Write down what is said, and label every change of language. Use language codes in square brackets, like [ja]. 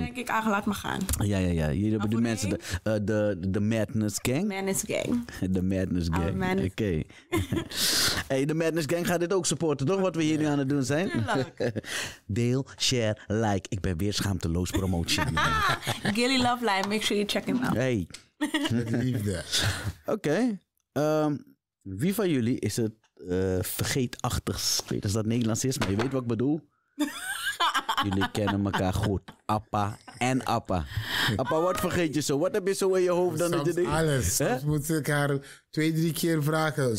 [nl] Dus nu denk ik, laat me gaan. Ja. Jullie hebben de mensen... De Madness Gang. De Madness Gang. Oké. Hey, de Madness Gang gaat dit ook supporten, toch? Wat we hier nu aan het doen zijn. Deel, share, like. Ik ben weer schaamteloos promotie. [en] Gilly Love Line, make sure you check him out. [nl] Hey. Liefde. Oké. Wie van jullie is het vergeetachtigst? Ik weet niet of dat Nederlands is, maar je weet wat ik bedoel. Jullie kennen elkaar goed. appa en appa. Appa, wat vergeet je zo? Wat heb je zo in je hoofd dan? Soms alles. Huh? Soms moet ik haar 2-3 keer vragen.